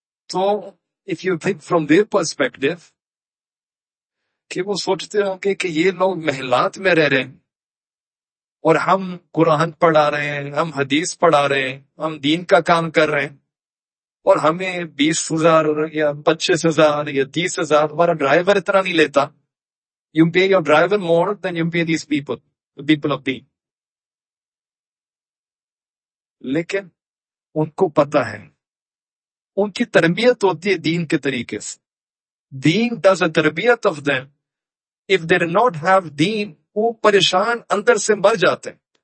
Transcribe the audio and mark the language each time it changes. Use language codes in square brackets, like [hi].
[ur] تو [en] if you think from their perspective [ur] کہ وہ سوچتے ہوں گے کہ یہ لوگ محلات میں رہ رہے ہیں اور ہم قرآن پڑھا رہے ہیں, ہم حدیث پڑھا رہے ہیں, ہم دین کا کام کر رہے ہیں اور ہمیں 20,000 or 25,000 or 30,000, ہمارا ڈرائیور اتنا نہیں لیتا. [en] You pay your driver more then you pay these people, people of the. [ur] لیکن ان کو پتا ہے, ان کی تربیت ہوتی ہے دین کے طریقے سے. [en] Then does a تربیت of them. If they not have then [ur] وہ پریشان اندر سے مر جاتے ہیں.